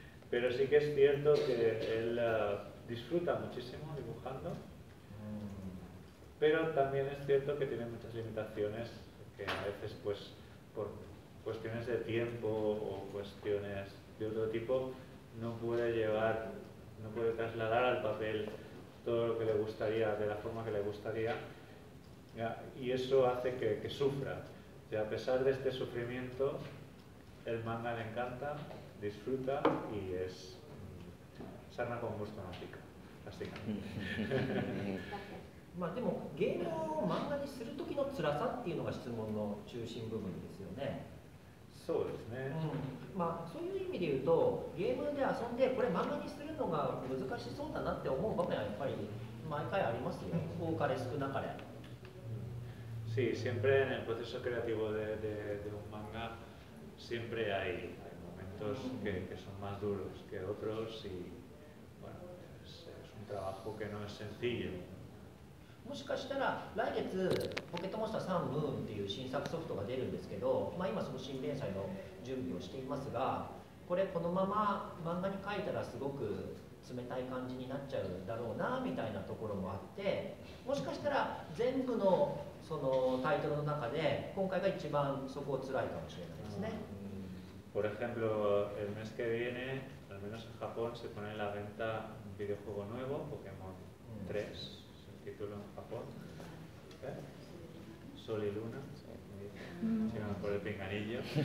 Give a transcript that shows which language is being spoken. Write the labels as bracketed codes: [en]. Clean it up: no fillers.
[es] Pero sí que es cierto que él disfruta muchísimo dibujando, pero también es cierto que tiene muchas limitaciones, que a veces pues por cuestiones de tiempo o cuestiones de otro tipo no puede trasladar al papel todo lo que le gustaría, de la forma que le gustaría, ¿ya? Y eso hace que sufra. O sea, a pesar de este sufrimiento, el manga le encanta, disfruta y es sarna con gusto en la pica. Así que. [ja] まあでもゲームを漫画にするときの辛さっていうのが質問の中心部分ですよね。そうですね。うん、まあそういう意味で言うと、ゲームで遊んでこれ漫画にするのが難しそうだなって思う場面はやっぱり毎回ありますよ。多かれ少なかれ。 [es] Sí, siempre en el proceso creativo de un manga siempre hay momentos que son más duros que otros y bueno, es un trabajo que no es sencillo。 [ja] もしかしたら来月ポケットモンスターサンムーンっていう新作ソフトが出るんですけど、まあ、今その新連載の準備をしていますが、これこのまま漫画に描いたらすごく冷たい感じになっちゃうだろうなみたいなところもあって、もしかしたら全部のそのタイトルの中で今回が一番そこを辛いかもしれないですね。 [es] Por ejemplo, el mes que viene, al menos en Japón, se pone en la venta un videojuego nuevo, Pokémon 3, es el título en Japón. ¿Eh? Sol y Luna, si no, por el pinganillo.